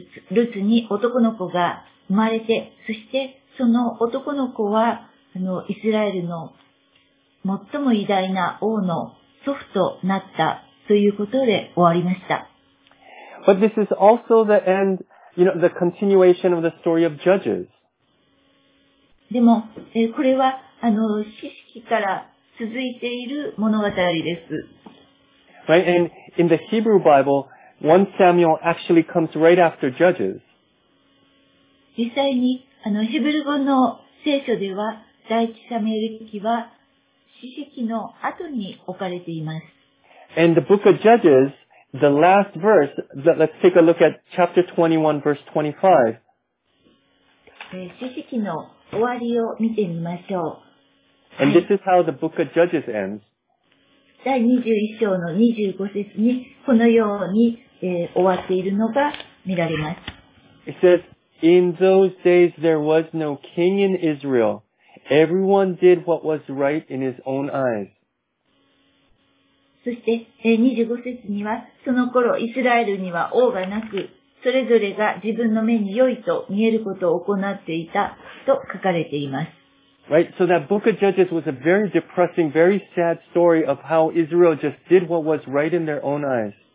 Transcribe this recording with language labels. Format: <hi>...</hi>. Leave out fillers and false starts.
<ja>ルツに男の子が生まれて、そしてその男の子は、イスラエルの最も偉大な王の祖父となったということで終わりました。</ja> <en>But this is also the end, you know, the continuation of the story of Judges.</en> <ja>でも、これは、史記から続いている物語です。</ja> <en>Right, and in the Hebrew Bible, 1 Samuel actually comes right after Judges.</en> <ja>実際に、ヘブル語の聖書では、第一サムエル記は、史記の後に置かれています。</ja> <en>And the book of Judges, the last verse, let's take a look at chapter 21, verse 25.</en> <ja>史記の終わりを見てみましょう。</ja> <en>And this is how the book of Judges ends.</en> <ja>第21章の25節に、このように、終わっているのが見られます。</ja> <en>It says, In those days there was no king in Israel. Everyone did what was right in his own eyes.</en> <ja>そして、25節には、その頃イスラエルには王がなく、それぞれが自分の目に良いと見えることを行っていたと書かれています。</ja> <en>Right, so that book of Judges was a very depressing, very sad story of how Israel just did what was right in their own eyes.</en>